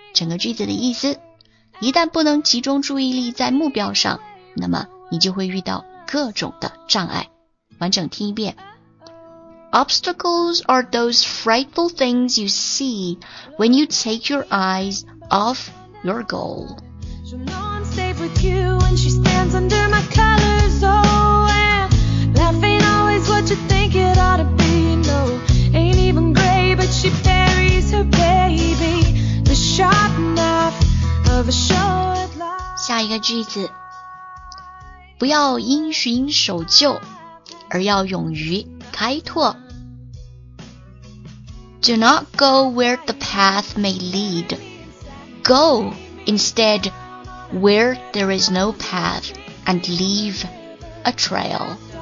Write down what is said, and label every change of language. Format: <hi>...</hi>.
<zh>整个句子的意思，一旦不能集中注意力在目标上，那么你就会遇到各种的障碍。完整听一遍。</zh> <en>Obstacles are those frightful things you see when you take your eyes off your goal. So no one's safe with you when she stands under my colors, oh, and life ain't always what you think it ought to be, no, ain't even gray, but she buries her baby, the sharp knife of a short life.</en> <zh>下一个句子，不要因循守旧，而要勇于开拓。</zh> <en>Do not go where the path may lead. Go instead where there is no path and leave a trail.</en>